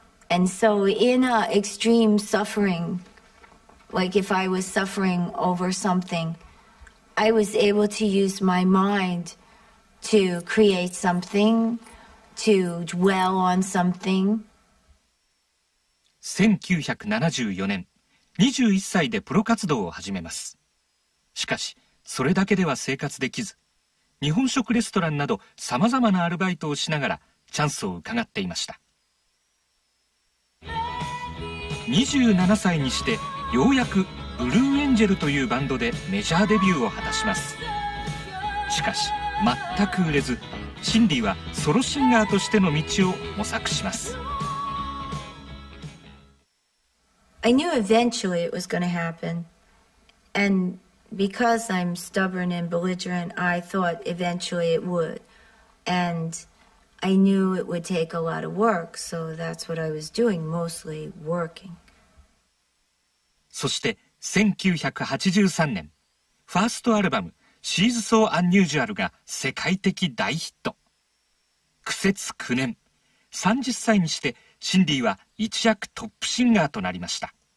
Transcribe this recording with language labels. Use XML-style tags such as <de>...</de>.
<en>And so in extreme suffering, like if I was suffering over something, I was able to use my mind to create something, to dwell on something.</en> <ja>1974年、21歳でプロ活動を始めます。しかし、それだけでは生活できず、日本食レストランなど様々なアルバイトをしながらチャンスを伺っていました。 27歳にしてようやくブルーエンジェルというバンドでメジャーデビューを果たします。しかし全く売れず、シンディはソロシンガーとしての道を模索します。</ja> <en>I knew eventually it was going to happen. And because I'm stubborn and belligerent, I thought eventually it would. And I knew it would take a lot of work, so that's what I was doing, mostly working.</en> <ja>そして1983年、ファーストアルバム「She's So Unusual」が世界的大ヒット。苦節9年、30歳にしてシンディは一躍トップシンガーとなりました。</ja>